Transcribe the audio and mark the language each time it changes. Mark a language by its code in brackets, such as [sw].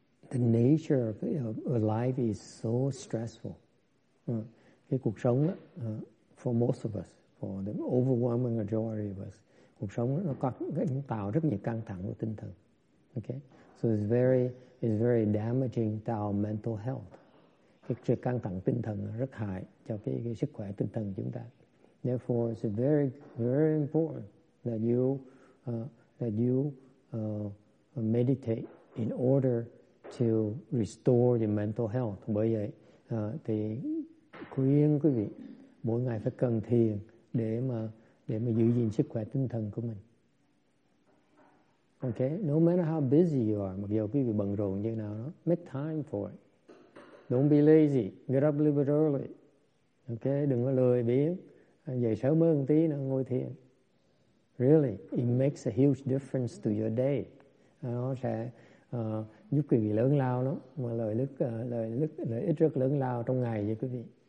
[en] The nature of life is so stressful. [vi] Cái cuộc sống đó, [en] for most of us, [vi] for the overwhelming majority of us, cuộc sống đó, nó tạo rất nhiều căng thẳng của tinh thần, ok. [en] So it's very damaging to our mental health. [vi] Cái sự căng thẳng tinh thần rất hại cho cái sức khỏe tinh thần của chúng ta. [en] Therefore, it's very, very important that you meditate in order to restore your mental health. [vi] Bởi vậy, thì khuyên quý vị mỗi ngày phải cần thiền để mà giữ gìn sức khỏe tinh thần của mình. [en] Okay, no matter how busy you are, [vi] mặc dù quý vị bận rộn như nào đó, [en] make time for it. Don't be lazy. Get up a little bit early. [vi] Okay, đừng có lười biếng. Dậy sớm hơn tí nữa ngồi thiền. [en] Really, it makes a huge difference to your day. [vi] Nó sẽ giúp quý vị lớn lao lắm. Mà lợi ích rất lớn lao trong ngày vậy quý vị.